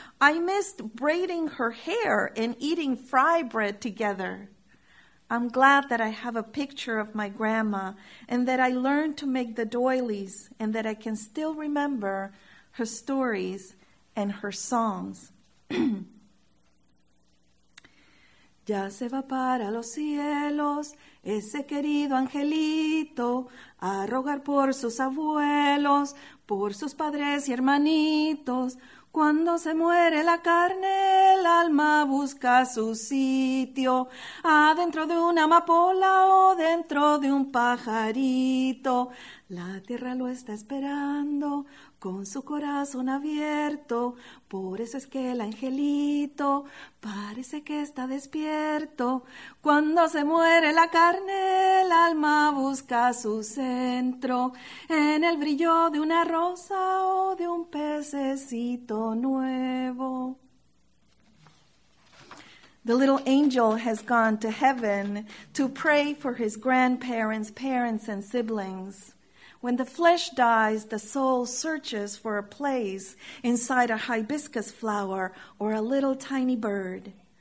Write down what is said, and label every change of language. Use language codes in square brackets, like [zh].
[en] I missed braiding her hair and eating fry bread together. I'm glad that I have a picture of my grandma and that I learned to make the doilies and that I can still remember her stories and her songs. [es] Ya se va para los cielos ese querido angelito a rogar por sus abuelos, por sus padres y hermanitos. Cuando se muere la carne, el alma busca su sitio adentro de una amapola o dentro de un pajarito. La tierra lo está esperando con su corazón abierto, por eso es que el angelito parece que está despierto. Cuando se muere la carne, el alma busca su centro en el brillo de una rosa o de un pececito nuevo. [en] The little angel has gone to heaven to pray for his grandparents, parents, and siblings. When the flesh dies, the soul searches for a place inside a hibiscus flower or a little tiny bird.